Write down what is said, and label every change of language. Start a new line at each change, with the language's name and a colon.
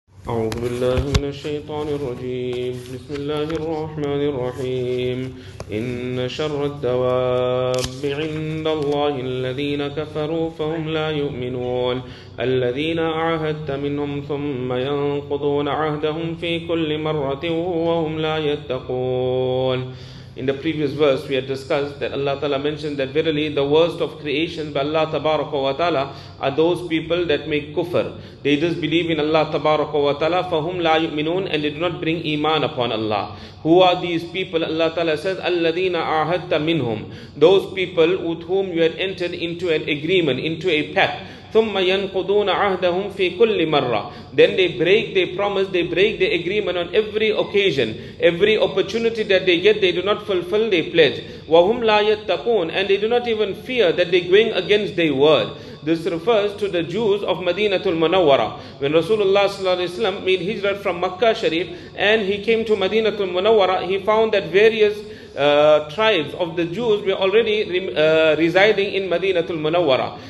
Arabic: أعوذ بالله من الشيطان الرجيم. بسم الله الرحمن الرحيم. إن شر الدواب عند الله الذين كفروا فهم لا يؤمنون. الذين عاهدت منهم ثم ينقضون عهدهم في كل مرة وهم لا يتقون.
English: In the previous verse, we had discussed that Allah Ta'ala mentioned that verily the worst of creation by Allah Tabaraka wa Ta'ala are those people that make kufr. They disbelieve in Allah Tabaraka wa Ta'ala, for whom
Arabic: la yu'minun,
English: and they do not bring iman upon Allah. Who are these people? Allah Ta'ala says,
Arabic: Alladina ahadta minhum.
English: Those people with whom you had entered into an agreement, into a pact.
Arabic: ثم ينقضون عهدهم في كل مرة.
English: Then they break their promise, they break their agreement on every occasion. Every opportunity that they get, they do not fulfill their pledge.
Arabic: وهم لا يتقون.
English: And they do not even fear that they're going against their word. This refers to the Jews of Madinatul Munawwara. When Rasulullah sallallahu alaihi wasallam made hijrah from Makkah Sharif and he came to Madinatul Munawwara, he found that various tribes of the Jews were already residing in Madinatul Munawwara.